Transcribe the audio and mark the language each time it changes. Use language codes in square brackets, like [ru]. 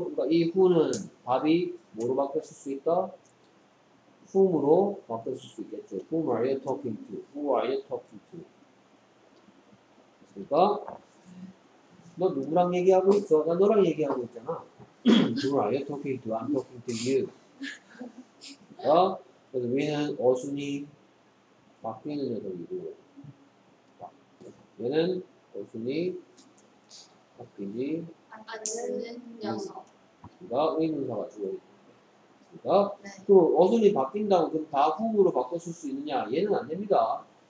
[ko] 그러니까 이 who는 답이 뭐로 바뀌었을 수 있다? whom으로 바뀌었을 수 있겠죠. [en] Whom are you talking to? Who are you talking to? 됐습니까? [ko] 너 누구랑 얘기하고 있어? 나 너랑 얘기하고 있잖아. [en] Who are you talking to? I'm talking to you. [ko] 어? 그래서 위는 어순이 바뀌는 녀석이고 얘는 어순이 바뀌지 안 바뀌는 녀석. 그러니까 의문사가 주어있다. 그러니까 어순이 바뀐다고 그럼 다 후으로 바꿨을 수 있느냐? 얘는 안 됩니다.